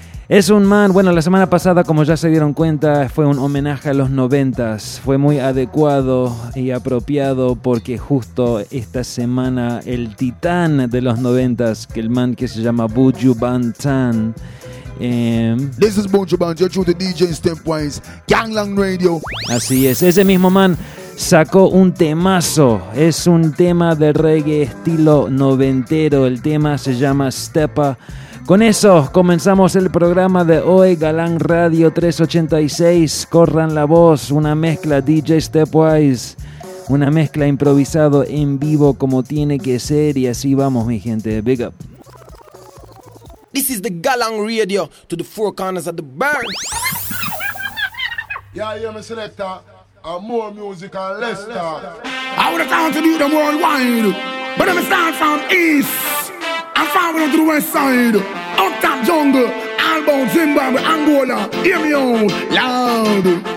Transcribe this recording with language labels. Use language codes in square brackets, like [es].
[es] Es un man, bueno, la semana pasada, como ya se dieron cuenta, fue un homenaje a los noventas. Fue muy adecuado y apropiado porque justo esta semana el titán de los noventas, que el man que se llama Buju Banton. [en] This is Buju Banton, you're the DJ Stepwise, Galang Radio. [es] Así es, ese mismo man sacó un temazo. Es un tema de reggae estilo noventero. El tema se llama Stepa. Con eso comenzamos el programa de hoy, Galang Radio 386, corran la voz, una mezcla DJ Stepwise, una mezcla improvisado en vivo como tiene que ser y así vamos mi gente, [en] big up. This is the Galang Radio to the four corners of the bird. Yeah, yeah, me selector, and more music and less talk. I would have time to do them worldwide, but let me start from east. I'm farming on to the west side, up top jungle, Albert, Zimbabwe, Angola, hear me out, loud.